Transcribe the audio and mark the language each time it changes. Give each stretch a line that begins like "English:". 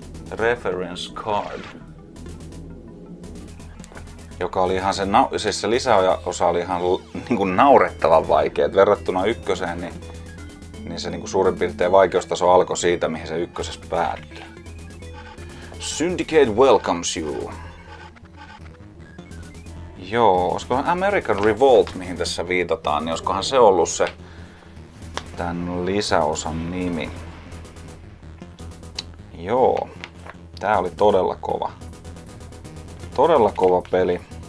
English: Reference Card.
Finnish: Joka oli ihan siis se lisäosa oli ihan niin kuin naurettavan vaikea. Et verrattuna ykköseen, niin se niin kuin suurin piirtein vaikeustaso alkoi siitä, mihin se ykkösessä päättyi.
English: Syndicate welcomes you.
Finnish: Joo, olisikohan American Revolt, mihin tässä viitataan, niin olisikohan se ollut se tämän lisäosan nimi. Joo, tää oli todella kova. Todella kova peli.